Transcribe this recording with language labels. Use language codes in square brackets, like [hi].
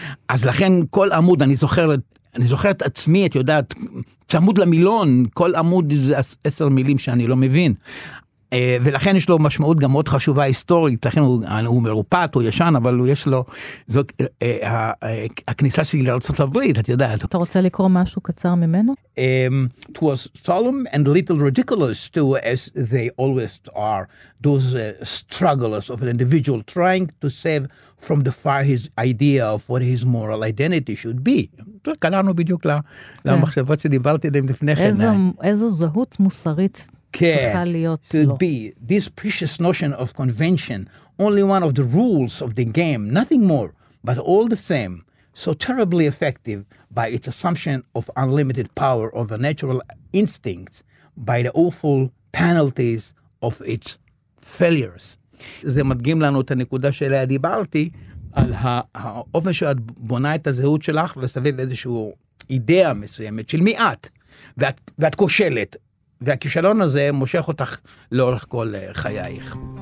[he] אז לכן כל עמוד, אני זוכר את עצמי, את יודעת, צמוד למילון, כל עמוד זה 10 מילים שאני לא מבין. ולכן יש לו משמעות גם מאוד חשובה היסטורית, לכן הוא מרופט, הוא ישן, אבל יש לו, זו הכניסה שלי לארצות הברית, את יודעת. אתה רוצה לקרוא משהו קצר ממנו? [en] It was solemn and little ridiculous to, as they always are, those struggles of an individual trying to save from the fire his idea of what his moral identity should be. [he] קלענו בדיוק למחשבות שדיברתי עליהם לפני כן. איזו זהות מוסרית [en] to be this precious notion of convention, only one of the rules of the game, nothing more, but all the same, so terribly effective by its assumption of unlimited power over natural instincts, by the awful penalties of its failures. [he] זה מדגים לנו את הנקודה שאליה דיברתי, על האופן שאת בונה את הזהות שלך, וסביב איזושהי אידאה מסוימת של מי את, ואת כושלת. והכישלון הזה מושך אותך לאורך כל חייך.